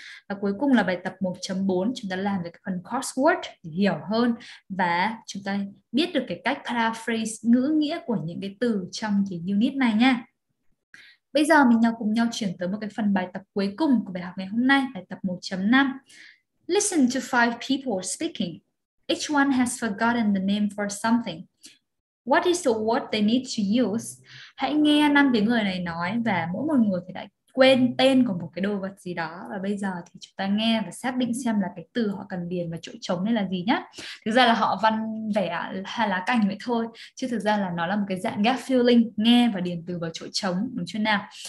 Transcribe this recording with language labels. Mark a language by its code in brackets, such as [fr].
[vi] Và cuối cùng là bài tập 1.4, chúng ta làm được cái phần crossword để hiểu hơn và chúng ta biết được cái cách paraphrase ngữ nghĩa của những cái từ trong cái unit này nha. Bây giờ mình cùng nhau chuyển tới một cái phần bài tập cuối cùng của bài học ngày hôm nay, bài tập 1.5. [en] Listen to five people speaking. Each one has forgotten the name for something. What is the word they need to use? [vi] Hãy nghe 5 cái người này nói và mỗi một người thì đã quên tên của một cái đồ vật gì đó. Và bây giờ thì chúng ta nghe và xác định xem là cái từ họ cần điền vào chỗ trống này là gì nhá. Thực ra là họ văn vẽ lá cành vậy thôi. Chứ thực ra là nó là một cái dạng gap filling, nghe và điền từ vào chỗ trống, đúng chưa nào?